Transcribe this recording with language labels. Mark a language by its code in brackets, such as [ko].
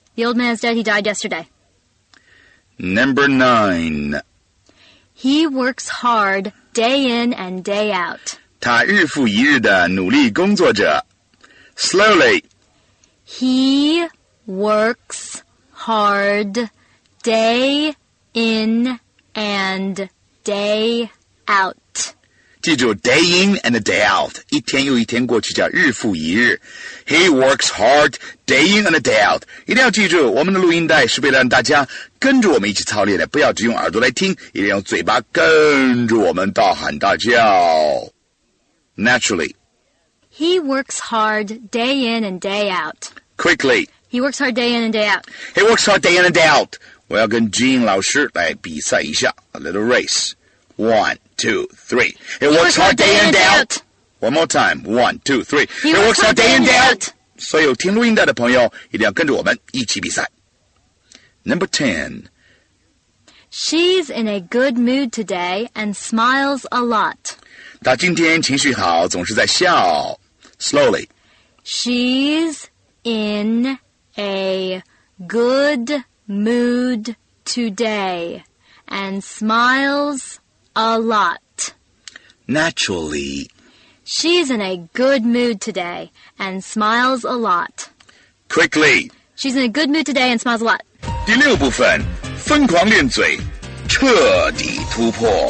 [en] The old man is dead. He died yesterday. Number nine. He works hard day in and day out. [zh] 他日复一日的努力工作着。 [en] Slowly. He works hard day in and day out. [zh] 记住 [en] day in and day out. [zh] 一天又一天过去叫日复一日。 [en] He works hard day in and day out. [zh] 一定要记住我们的录音带是为了让大家跟着我们一起操练的，不要只用耳朵来听，一定要嘴巴跟着我们大喊大叫。 [en] Naturally. He works hard day in and day out. Quickly. He works hard day in and day out. He works hard day in and day out. [zh] 我要跟 Jean 老师来比赛一下 [en] a little race. One, two, three. He works hard day in and day out. One more time. One, two, three. He works hard day in and day out. [zh] 所有听录音带的朋友一定要跟着我们一起比赛。 [en] Number 10. She's in a good mood today and smiles a lot. [zh] 她今天情绪好，总是在笑。 [en] Slowly. She's in a good mood today and smiles a lot. Naturally. She's in a good mood today and smiles a lot. Quickly. She's in a good mood today and smiles a lot. [zh] 第六部分，疯狂练嘴，彻底突破。